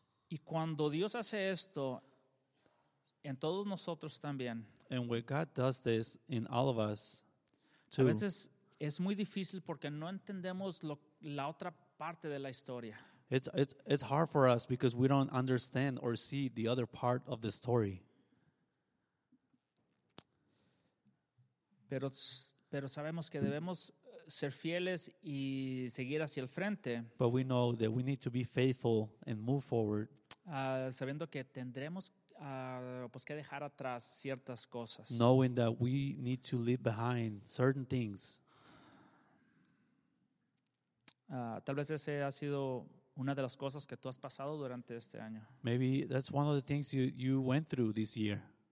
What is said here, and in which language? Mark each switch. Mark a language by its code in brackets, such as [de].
[es] Y cuando Dios hace esto, en todos nosotros también. [en] And when God does this in all of us, [es] too. A veces es muy difícil porque no entendemos la otra parte de la historia. [en] It's hard for us because we don't understand or see the other part of the story. [es] Pero sabemos que debemos ser fieles y seguir hacia el frente. [en] But we know that we need to be faithful and move forward. [es] Sabiendo que tendremos pues que dejar atrás ciertas cosas. [en] Knowing that we need to leave behind certain things. [es] Tal vez ese ha sido una de las cosas que tú has pasado durante este año. [en] Maybe that's one of the things you went through this year.